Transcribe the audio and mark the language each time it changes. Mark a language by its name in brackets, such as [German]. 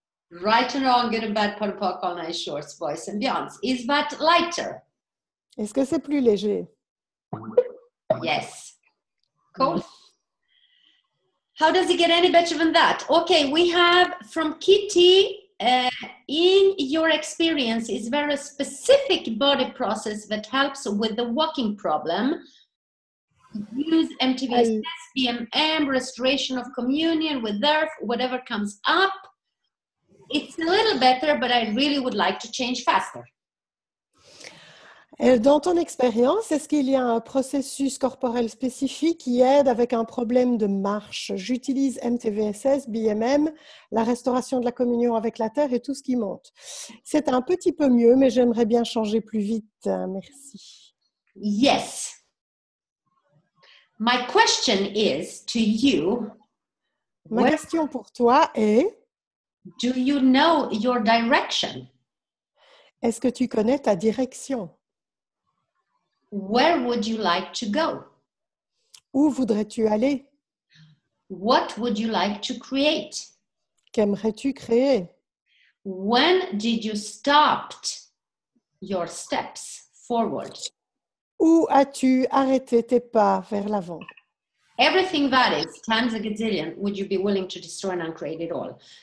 [English] Right and wrong, good and bad, pop, pop, all night, shorts, boys and beyonds. Is that lighter? [French] Est-ce que c'est plus léger? [English] Yes. Cool. How does it get any better than that? Okay, we have from Kitty, in your experience, is there a specific body process that helps with the walking problem? Use MTVS, BMM, restoration of communion with earth, whatever comes up. It's a little better, but I really would like to change faster. [French] Dans ton expérience, est-ce qu'il y a un processus corporel spécifique qui aide avec un problème de marche? J'utilise MTVSS, BMM, la restauration de la communion avec la terre et tout ce qui monte. C'est un petit peu mieux, mais j'aimerais bien changer plus vite. Merci. [English] Yes. My question is to you. [French] Ma question pour toi est: [English] do you know your direction? [French] Est-ce que tu connais ta direction? [English] Where would you like to go? [French] Où voudrais-tu aller? [English] What would you like to create? [French] Qu'aimerais-tu créer? [English] When did you stop your steps forward? [French] Où as-tu arrêté tes pas vers l'avant? [English] Everything that is, times a gazillion, would you be willing to destroy and uncreate it all?